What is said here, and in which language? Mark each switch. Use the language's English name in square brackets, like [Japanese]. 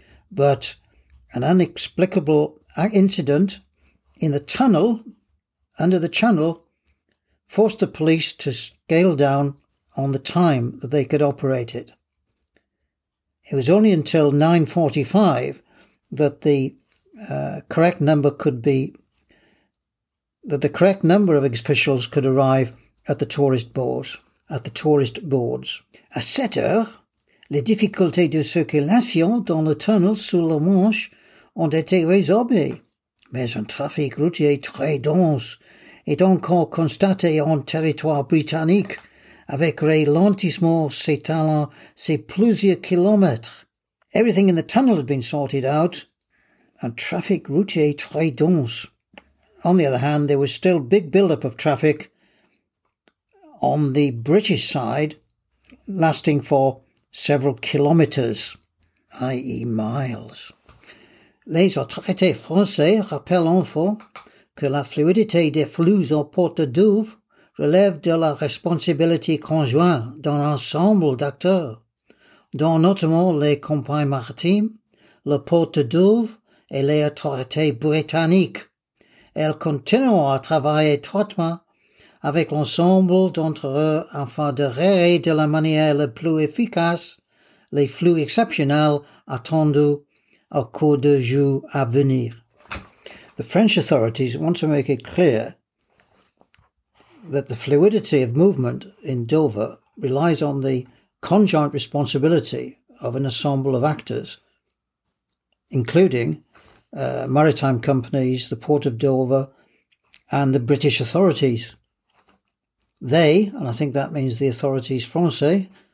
[English] But an inexplicable incident in the tunnel, under the channel, forced the police to scale down on the time that they could operate it. It was only until 9:45 that the correct number of officials could arrive at the tourist boards. [French] À 7h, les difficultés de circulation dans le tunnel sous la Manche ont été résorbées, mais un trafic routier très dense est encore constaté en territoire britannique, avec ralentissement s'étalant sur plusieurs kilomètres. [English] Everything in the tunnel had been sorted out, and traffic [French] routier très dense. [English] On the other hand, there was still big build-up of traffic on the British side, lasting for several kilometres, i.e. miles. [French] Les autorités françaises rappellent enfin que la fluidité des flux au port de Douvres relève de la responsabilité conjointe d'un ensemble d'acteurs, dont notamment les compagnies maritimes, le port de Douvres et les autorités britanniques. Elles continueront à travailler étroitement avec l'ensemble d'entre eux afin de gérer de la manière la plus efficace les flux exceptionnels attendus au cours de jours à venir. [English] The French authorities want to make it clear that the fluidity of movement in Dover relies on the conjoint responsibility of an ensemble of actors, including maritime companies, the Port of Dover, and the British authorities. They, and I think that means the authorities français,